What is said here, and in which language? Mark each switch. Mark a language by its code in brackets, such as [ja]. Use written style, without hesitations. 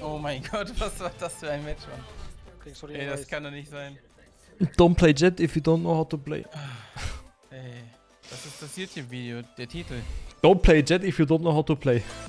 [de] Oh mein Gott, was war das für ein Match, Mann? Ey, das kann doch nicht sein. [en] Don't play Jett if you don't know how to play. [de] Ey, das ist das YouTube-Video, der Titel. [en] Don't play Jett if you don't know how to play.